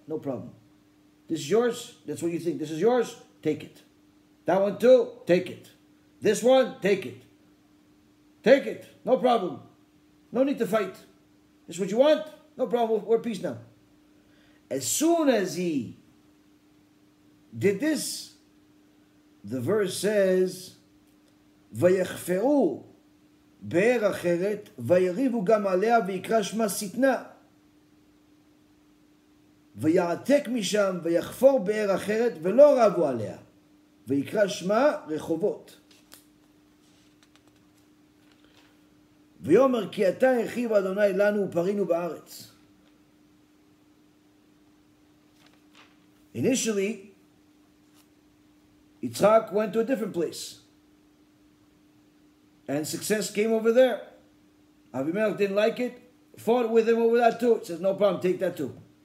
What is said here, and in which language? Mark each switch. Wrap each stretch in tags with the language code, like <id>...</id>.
<en>No problem. This is yours? That's what you think. This is yours? Take it. That one too? Take it. This one? Take it. Take it. No problem. No need to fight. This is what you want? No problem. We're at peace now. As soon as he did this, the verse says,</en> <he>Vayechfe'u be'er acheret vayerivu gam alea v'yikra shma sitna. ויעתק משם ויחפור באר אחרת ולא רבו עליה ויקרא שמה רחובות ויאמר כי אתה הרחיב אדוני לנו ופרינו בארץ.</he> <en>Initially, Yitzhak went to a different place and success came over there. Avimelech didn't like it, fought with him over that too. He says, no problem, take that too.</en>